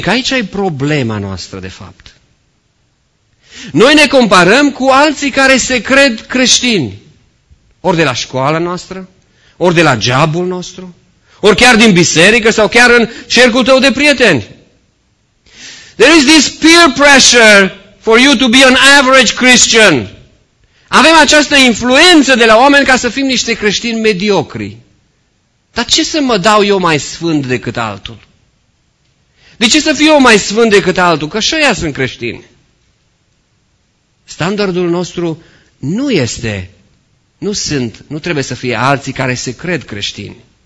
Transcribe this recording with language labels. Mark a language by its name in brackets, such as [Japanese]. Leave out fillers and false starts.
[Romanian] Că aici e problema noastră, de fapt. Noi ne comparăm cu alții care se cred creștini. Ori de la școala noastră, ori de la jobul nostru, ori chiar din biserică sau chiar în cercul tău de prieteni. [English] There is this peer pressure for you to be an average Christian. [Romanian] Avem această influență de la oameni ca să fim niște creștini mediocri. Dar ce să mă dau eu mai sfânt decât altul? De ce să fiu eu mai sfânt decât altul? Că și ăia sunt creștini. Standardul nostru nu este, nu sunt, nu trebuie să fie alții care se cred creștini.